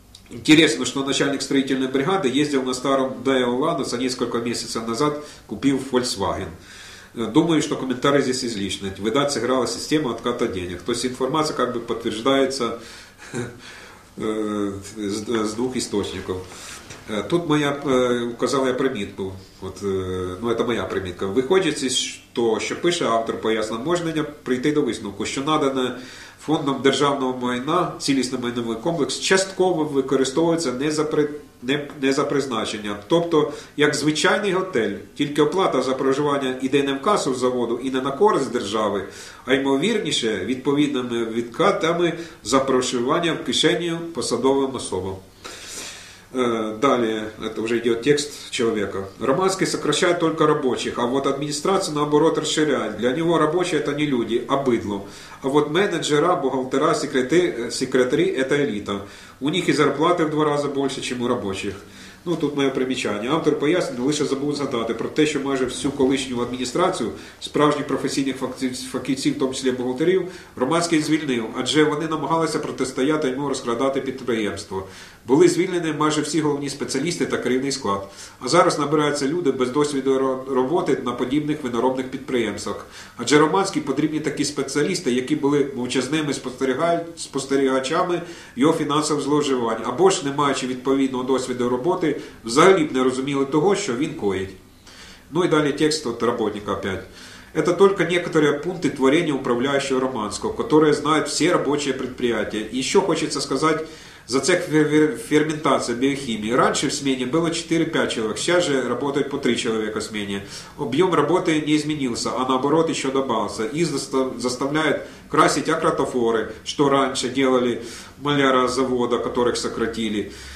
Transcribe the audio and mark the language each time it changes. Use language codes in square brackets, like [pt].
[ru] Интересно, что начальник строительной бригады ездил на старом Daewoo Ланос, а несколько месяцев назад купил Volkswagen. Думаю, что комментарий здесь излишный. Видать, сыграла система отката денег. То есть информация как бы подтверждается с двух источников. Тут моя указала я примітку. От, ну, это моя примітка. [uk] Виходить, що пише автор пояснення, можна прийти до висновку, що надане фондом державного майна, цілісний майновий комплекс, частково використовується не за призначенням. Тобто, як звичайний готель, тільки оплата за проживання іде не в касу заводу і не на користь держави, а ймовірніше відповідними відкатами за проживання в кишені посадовим особам. [ru] Далее, это уже идет текст человека. Романский сокращает только рабочих, а вот администрация наоборот расширяет. Для него рабочие это не люди, а быдло. А вот менеджера, бухгалтера, секретари это элита. У них и зарплаты в 2 раза больше, чем у рабочих. Ну тут мое примечание. [uk] Автор пояснил, лише забыл задать про то, что майже всю колишню администрацию, справжніх профессийных фахівців, в том числе бухгалтерів, Романський звільнив, адже вони намагалися протистояти йому розкрадати підприємство. Були звільнені майже всі головні спеціалісти та керівний склад. А зараз набираються люди без досвіду роботи на подібних виноробних підприємствах. Адже Романський потрібні такі спеціалісти, які були мовчазними спостерігачами його фінансових зловживань, або ж, не маючи відповідного досвіду роботи, взагалі б не розуміли того, що він коїть. Ну і далі текст от роботника опять. [ru] Это только некоторые пункты творения управляющего Романского, которые знают все рабочие предприятия. Еще хочется сказать за цех ферментации биохимии. Раньше в смене было 4-5 человек, сейчас же работает по 3 человека в смене. Объем работы не изменился, а наоборот еще добавился. Их заставляют красить акротофоры, что раньше делали маляра завода, которых сократили.